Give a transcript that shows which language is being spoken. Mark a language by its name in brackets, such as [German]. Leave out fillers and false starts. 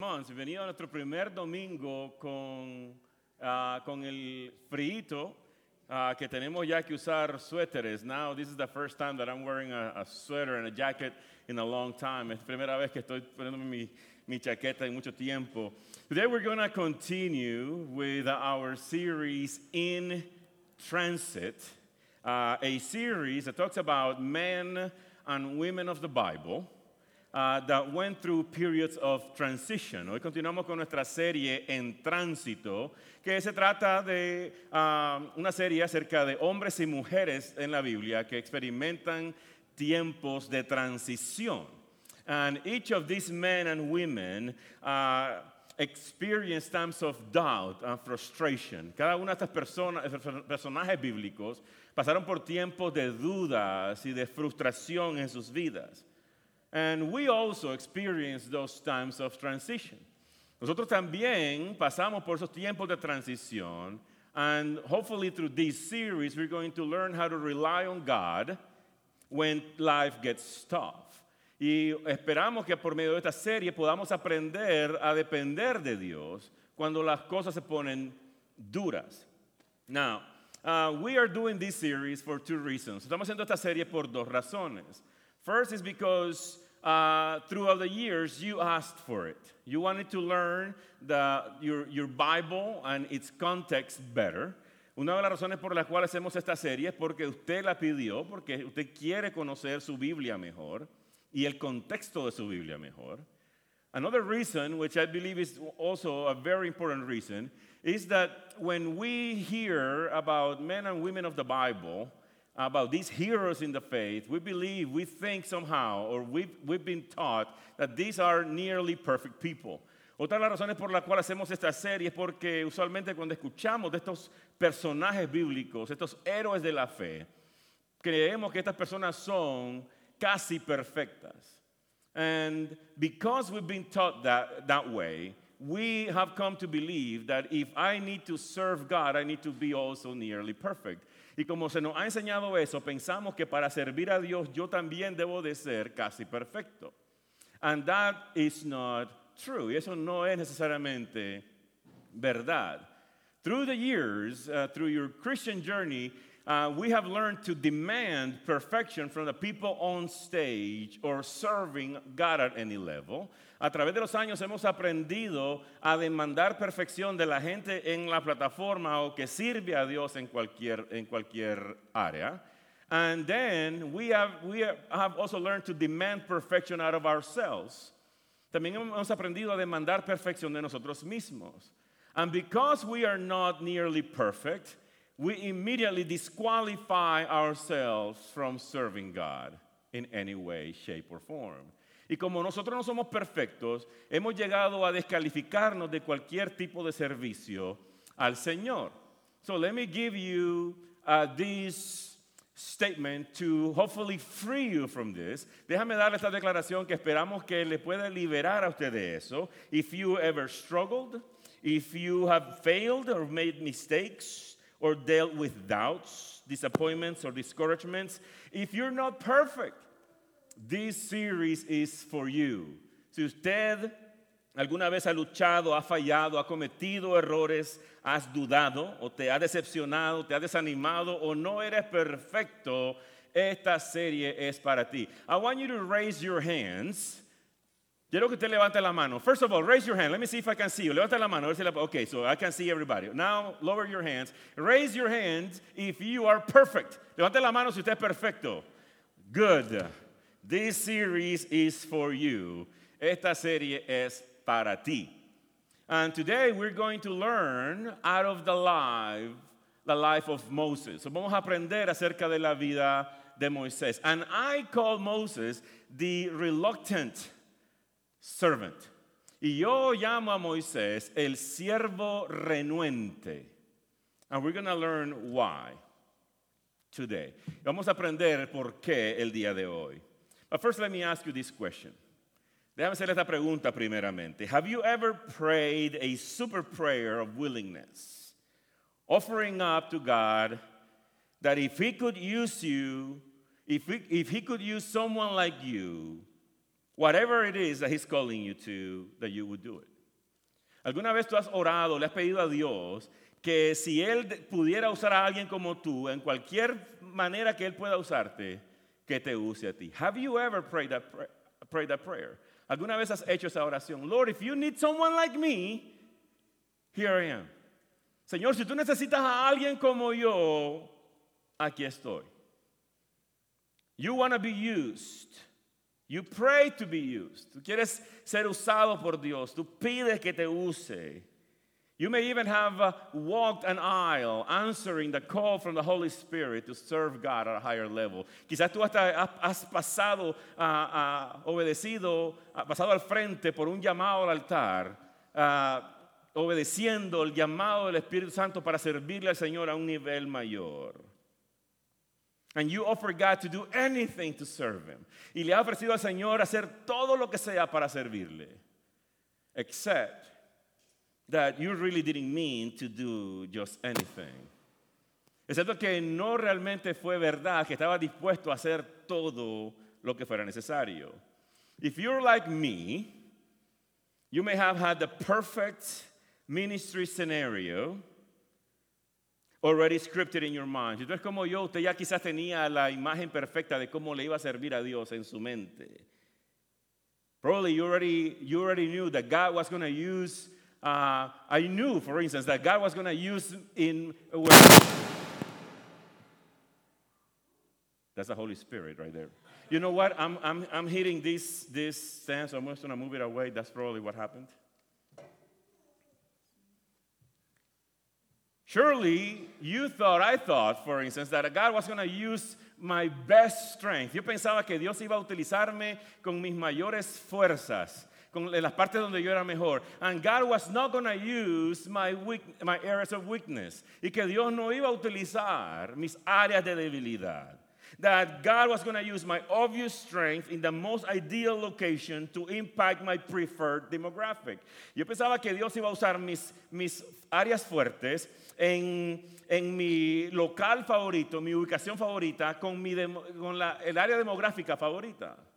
[Spanish] Hans, bienvenido a nuestro primer domingo con el frito que tenemos ya que usar suéteres. [English] Now, this is the first time that I'm wearing a sweater and a jacket in a long time. [Spanish] Es la primera vez que estoy poniendo mi chaqueta en mucho tiempo. [English] Today, we're going to continue with our series In Transit, a series that talks about men and women of the Bible. That went through periods of transition. [Spanish] Hoy continuamos con nuestra serie En Tránsito, que se trata de una serie acerca de hombres y mujeres en la Biblia que experimentan tiempos de transición. [English] And each of these men and women experienced times of doubt and frustration. [Spanish] Cada una de estas personajes bíblicos pasaron por tiempos de dudas y de frustración en sus vidas. [English] And we also experience those times of transition. [Spanish] Nosotros también pasamos por esos tiempos de transición. [English] And hopefully through this series, we're going to learn how to rely on God when life gets tough. [Spanish] Y esperamos que por medio de esta serie podamos aprender a depender de Dios cuando las cosas se ponen duras. [English] Now, we are doing this series for two reasons. [Spanish] Estamos haciendo esta serie por dos razones. [English] First is because throughout the years, you asked for it. You wanted to learn your Bible and its context better. [Spanish] Una de las razones por las cuales hacemos esta serie es porque usted la pidió, porque usted quiere conocer su Biblia mejor y el contexto de su Biblia mejor. [English] Another reason, which I believe is also a very important reason, is that when we hear about men and women of the Bible, about these heroes in the faith, we believe, we think somehow, or we've been taught that these are nearly perfect people. [Spanish] Otra de las razones por las cuales hacemos esta serie es porque usualmente cuando escuchamos de estos personajes bíblicos, estos héroes de la fe, creemos que estas personas son casi perfectas. [English] And because we've been taught that way, we have come to believe that if I need to serve God, I need to be also nearly perfect. [Spanish] Y como se nos ha enseñado eso, pensamos que para servir a Dios yo también debo de ser casi perfecto. [English] And that is not true. [Spanish] Y eso no es necesariamente verdad. [English] Through the years, through your Christian journey, we have learned to demand perfection from the people on stage or serving God at any level. [Spanish] A través de los años hemos aprendido a demandar perfección de la gente en la plataforma o que sirve a Dios en cualquier área. [English] And then we have also learned to demand perfection out of ourselves. [Spanish] También hemos aprendido a demandar perfección de nosotros mismos. [English] And because we are not nearly perfect, we immediately disqualify ourselves from serving God in any way, shape, or form. [Spanish] Y como nosotros no somos perfectos, hemos llegado a descalificarnos de cualquier tipo de servicio al Señor. [English] So let me give you this statement to hopefully free you from this. [Spanish] Déjame darle esta declaración que esperamos que le pueda liberar a usted de eso. [English] If you ever struggled, if you have failed or made mistakes, or dealt with doubts, disappointments, or discouragements, if you're not perfect, this series is for you. [Spanish] Si usted alguna vez ha luchado, ha fallado, ha cometido errores, has dudado, o te ha decepcionado, te ha desanimado, o no eres perfecto, esta serie es para ti. [English] I want you to raise your hands. [Spanish] Quiero que usted levante la mano. [English] First of all, raise your hand. Let me see if I can see you. [Spanish] Levanta la mano. [English] Okay, so I can see everybody. Now, lower your hands. Raise your hands if you are perfect. [Spanish] Levante la mano si usted es perfecto. [English] Good. This series is for you. [Spanish] Esta serie es para ti. [English] And today we're going to learn out of the life of Moses. [Spanish] So vamos a aprender acerca de la vida de Moisés. [English] And I call Moses the reluctant servant. [Spanish] Y yo llamo a Moisés el siervo renuente. [English] And we're going to learn why today. [Spanish] Vamos a aprender por qué el día de hoy. [English] But first, let me ask you this question. [Spanish] Déjame hacer esta pregunta primeramente. [English] Have you ever prayed a super prayer of willingness, offering up to God that if he could use you, if he could use someone like you, whatever it is that he's calling you to, that you would do it? [Spanish] ¿Alguna vez tú has orado, le has pedido a Dios que si Él pudiera usar a alguien como tú, en cualquier manera que Él pueda usarte, que te use a ti? [English] Have you ever prayed that prayer? [Spanish] ¿Alguna vez has hecho esa oración? [English] Lord, if you need someone like me, here I am. [Spanish] Señor, si tú necesitas a alguien como yo, aquí estoy. [English] You want to be used. You pray to be used. [Spanish] Tú quieres ser usado por Dios. Tú pides que te use. [English] You may even have walked an aisle answering the call from the Holy Spirit to serve God at a higher level. [Spanish] Quizás tú hasta has pasado, obedecido, pasado al frente por un llamado al altar, obedeciendo el llamado del Espíritu Santo para servirle al Señor a un nivel mayor. [English] And you offer God to do anything to serve Him. [Spanish] Y le ha ofrecido al Señor hacer todo lo que sea para servirle. [English] Except that you really didn't mean to do just anything. [Spanish] Excepto que no realmente fue verdad que estaba dispuesto a hacer todo lo que fuera necesario. [English] If you're like me, you may have had the perfect ministry scenario already scripted in your mind. [Spanish] Si tú eres como yo, usted ya quizás tenía la imagen perfecta de cómo le iba a servir a Dios en su mente. [English] Probably you already knew that God was going to use. I knew, for instance, that God was going to use in. That's the Holy Spirit right there. You know what? I'm hitting this stand, so I'm just going to move it away. That's probably what happened. Surely you thought, I thought, for instance, that God was going to use my best strength. [Spanish] Yo pensaba que Dios iba a utilizarme con mis mayores fuerzas, con las partes donde yo era mejor. [English] And God was not going to use my areas of weakness. [Spanish] Y que Dios no iba a utilizar mis áreas de debilidad. [English] That God was going to use my obvious strength in the most ideal location to impact my preferred demographic. [Spanish] Yo pensaba que Dios iba a usar mis áreas fuertes en mi local favorito, mi ubicación favorita, con el área demográfica favorita.